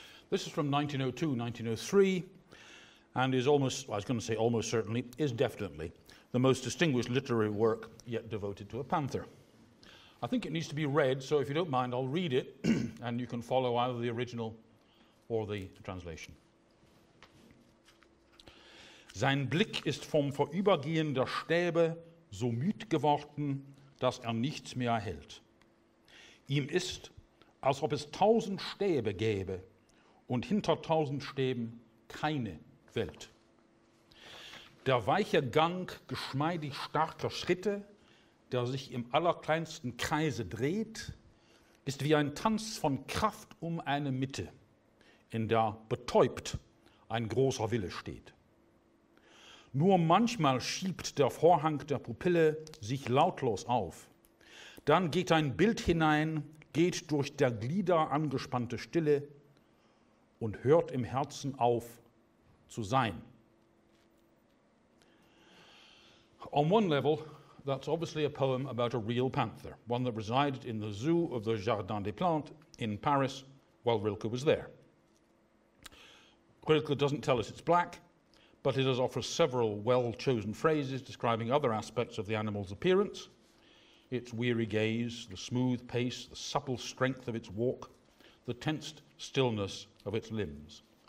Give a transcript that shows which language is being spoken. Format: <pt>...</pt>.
<en>This is from 1902, 1903, and is almost, well, I was going to say almost certainly, is definitely the most distinguished literary work yet devoted to a panther. I think it needs to be read, so if you don't mind, I'll read it, and you can follow either the original or the translation.</en> <de>Sein Blick ist vom Vorübergehen der Stäbe so müd geworden, dass nichts mehr hält. Ihm ist, als ob es 1000 Stäbe gäbe und hinter 1000 Stäben keine Welt. Der weiche Gang geschmeidig starker Schritte, der sich im allerkleinsten Kreise dreht, ist wie ein Tanz von Kraft um eine Mitte, in der betäubt ein großer Wille steht. Nur manchmal schiebt der Vorhang der Pupille sich lautlos auf. Dann geht ein Bild hinein, geht durch der Glieder angespannte Stille und hört im Herzen auf zu sein.</de> <en>On one level, that's obviously a poem about a real panther, one that resided in the zoo of the Jardin des Plantes in Paris while Rilke was there. Rilke doesn't tell us it's black, but it does offer several well-chosen phrases describing other aspects of the animal's appearance: its weary gaze, the smooth pace, the supple strength of its walk, the tensed stillness of its limbs.</en>